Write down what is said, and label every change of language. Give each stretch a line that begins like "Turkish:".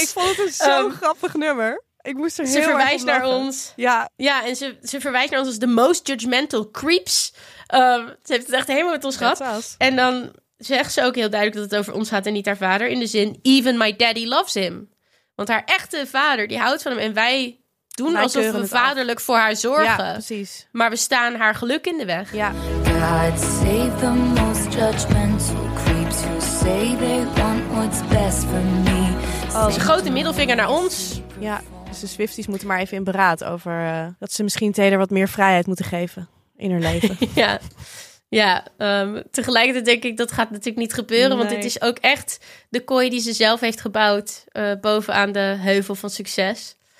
Dutch: Ik vond het een zo grappig nummer. Ik moest er heel erg Ze verwijst naar ons. Ja. Ja, en ze verwijst naar ons als
English: the most judgmental creeps.
Dutch: Ze heeft het echt helemaal met ons gehad. En dan zegt ze ook heel duidelijk dat het over ons gaat en niet haar vader. In de zin,
English: even my daddy loves him.
Dutch: Want haar echte vader, die houdt van hem en wij doen wij alsof we vaderlijk voor haar zorgen. Ja, precies. Maar we staan haar geluk in de weg. Ja.
English: God save the most judgmental creeps who say they want what's best for me.
Dutch: Oh, dat is een grote middelvinger naar ons. Ja, dus de Swifties moeten maar even in beraad over dat ze misschien Taylor wat meer vrijheid moeten geven in haar leven. Ja. Ja, tegelijkertijd denk ik, dat gaat natuurlijk niet gebeuren. Nee. Want dit is ook echt de kooi die ze zelf heeft gebouwd bovenaan de heuvel van succes.